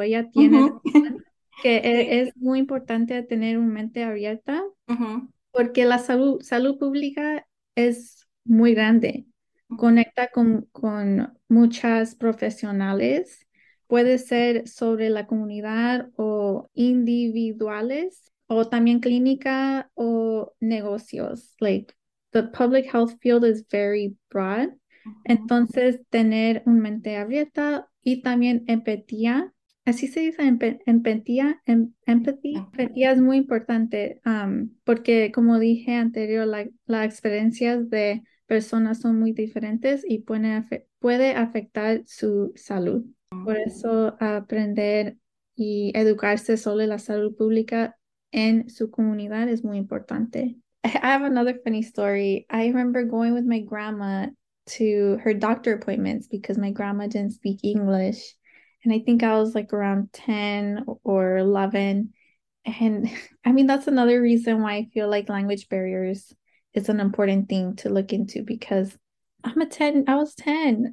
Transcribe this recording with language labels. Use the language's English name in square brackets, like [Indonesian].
[Spanish] Ella tiene que es muy importante tener una mente abierta porque la salud pública es muy grande. Conecta con muchas profesionales. Puede ser sobre la comunidad o individuales o también clínica o negocios. [English] Like, the public health field is very broad. [Spanish] Entonces, tener un mente abierta y también empatía. ¿Así se dice? ¿Empatía? ¿Empathy? Empatía es muy importante porque, como dije anterior, las experiencias de personas son muy diferentes y puede afectar su salud. Por eso, aprender y educarse sobre la salud pública en su comunidad es muy importante. [English] I have another funny story. I remember going with my grandma to her doctor appointments because my grandma didn't speak English. And I think I was like around 10 or 11. And I mean, that's another reason why I feel like language barriers is an important thing to look into, because I was 10.